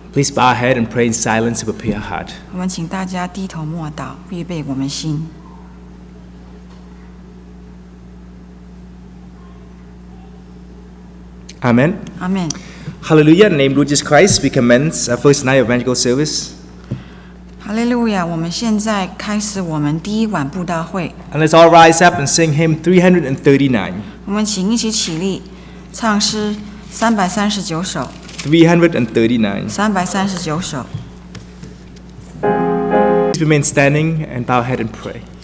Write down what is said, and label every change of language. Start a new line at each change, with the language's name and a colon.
English: Please bow our head and pray in silence and prepare our heart.
Chinese: 我们请大家低头默祷，预备我们心。
English: Amen. Amen. Hallelujah, name Lord Jesus Christ, we commence our first night of liturgical service.
Chinese: Hallelujah, 我们现在开始我们第一晚布道会。
English: And let's all rise up and sing hymn 339.
Chinese: 我们请一起起立，唱诗339首。
English: 339.
Chinese: 339首。
English: Please remain standing and bow head and pray.